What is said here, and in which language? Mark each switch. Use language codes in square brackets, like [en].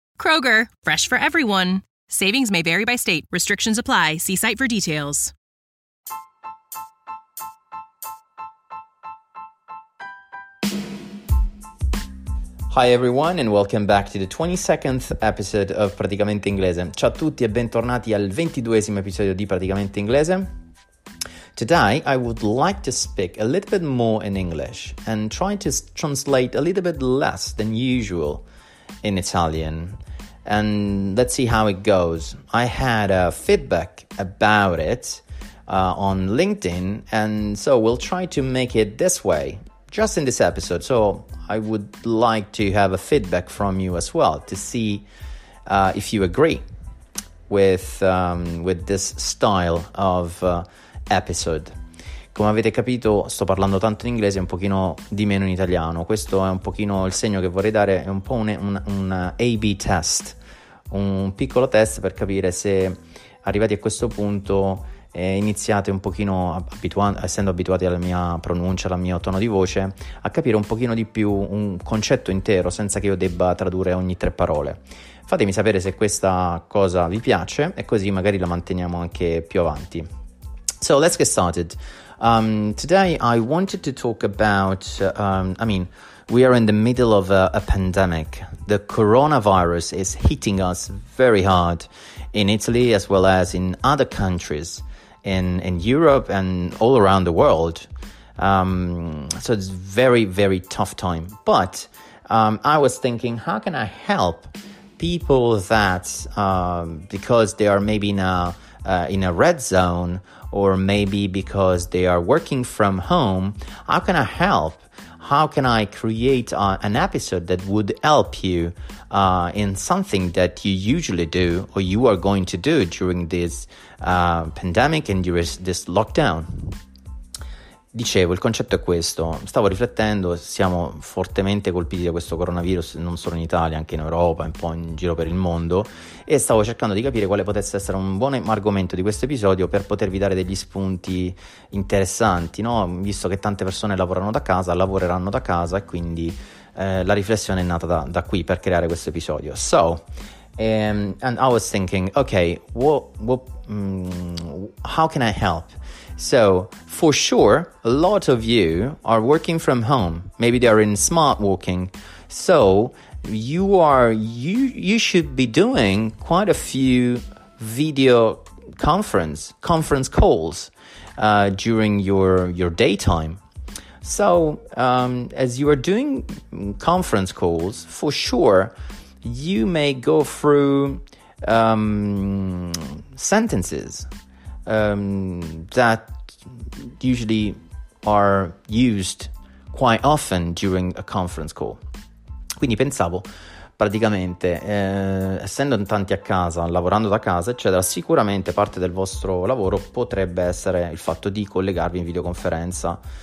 [en] Kroger, fresh for everyone. Savings may vary by state. Restrictions apply. See site for details. Hi everyone and welcome back to the 22nd episode of Praticamente Inglese. [it] Ciao a tutti e bentornati al 22esimo episodio di Praticamente Inglese. [en] Today I would like to speak a little bit more in English and try to translate a little bit less than usual in Italian. And let's see how it goes. I had a feedback about it on LinkedIn, and so we'll try to make it this way. Just in this episode, so I would like to have a feedback from you as well to see if you agree with this style of episode. [it] Come avete capito, sto parlando tanto in inglese e un pochino di meno in italiano. Questo è un pochino il segno che vorrei dare, è un po' un A-B test, un piccolo test per capire se arrivati a questo punto iniziate un pochino, essendo abituati alla mia pronuncia, al mio tono di voce, a capire un pochino di più un concetto intero senza che io debba tradurre ogni tre parole. Fatemi sapere se questa cosa vi piace e così magari la manteniamo anche più avanti. [en] So let's get started. Today I wanted to talk about, we are in the middle of a pandemic. The coronavirus is hitting us very hard in Italy as well as in other countries. In Europe and all around the world. So it's very, very tough time. But I was thinking, how can I help people that, because they are maybe in a red zone, or maybe because they are working from home, how can I help? How can I create an episode that would help you in something that you usually do or you are going to do during this pandemic and during this lockdown? [it] Dicevo, il concetto è questo. Stavo riflettendo, siamo fortemente colpiti da questo coronavirus, non solo in Italia, anche in Europa, un po' in giro per il mondo, e stavo cercando di capire quale potesse essere un buon argomento di questo episodio per potervi dare degli spunti interessanti, no? Visto che tante persone lavorano da casa, lavoreranno da casa, e quindi la riflessione è nata da qui per creare questo episodio. [en] So, and I was thinking, okay, how can I help? So, for sure, a lot of you are working from home. Maybe they are in smart working. So, you should be doing quite a few video conference calls during your daytime. So, as you are doing conference calls, for sure, you may go through sentences that usually are used quite often during a conference call. [it] Quindi pensavo, praticamente, essendo in tanti a casa, lavorando da casa, eccetera, sicuramente parte del vostro lavoro potrebbe essere il fatto di collegarvi in videoconferenza.